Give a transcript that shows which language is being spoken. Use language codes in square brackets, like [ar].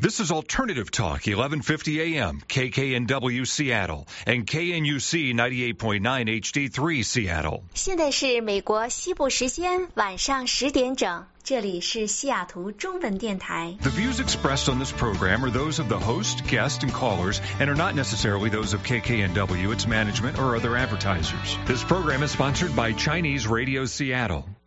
[en] This is Alternative Talk, 1150 AM, KKNW Seattle, and KNUC 98.9 HD3 Seattle. [zh] 现在是美国西部时间晚上10点整。这里是西雅图中文电台。 [en] The views expressed on this program are those of the host, guest, and callers, and are not necessarily those of KKNW, its management, or other advertisers. This program is sponsored by Chinese Radio Seattle.